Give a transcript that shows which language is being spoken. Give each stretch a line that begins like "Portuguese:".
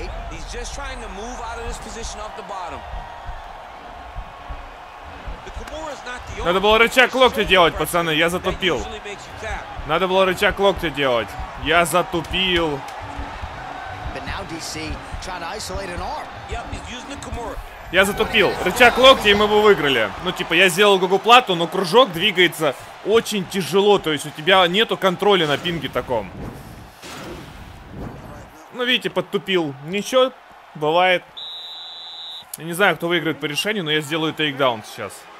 English: He's just trying to move out of this position off the bottom. The Kimura's not the only.
Russian: Надо было рычаг локтя делать, пацаны, я затупил. Надо было рычаг локтя делать. Я затупил.
English: But now DC trying to isolate an arm. Yep, he's using the Kimura.
Russian: Я затупил. Рычаг локтя, и мы бы выиграли. Ну, типа, я сделал гугуплату, но кружок двигается очень тяжело. То есть у тебя нету контроля на пинге таком. Ну, видите, подтупил. Ничего, бывает. Я не знаю, кто выиграет по решению, но я сделаю тейкдаун сейчас.